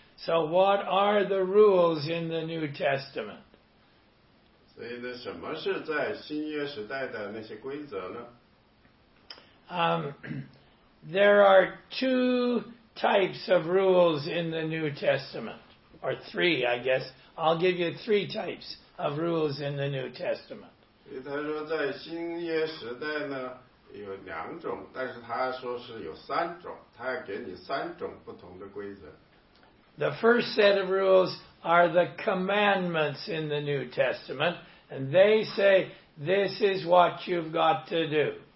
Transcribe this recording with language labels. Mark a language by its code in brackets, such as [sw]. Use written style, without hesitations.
[en] So what are the rules in the New Testament? [zh] 所以呢，什么是在新约时代的那些规则呢？ [en] There are two types of rules in the New Testament, or three, I guess. I'll give you three types of rules in the New Testament. [zh] 所以他说在新约时代呢，有两种，但是他说是有三种，他要给你三种不同的规则。 [en] The first set of rules are the commandments in the New Testament, and they say, this is what you've got to do.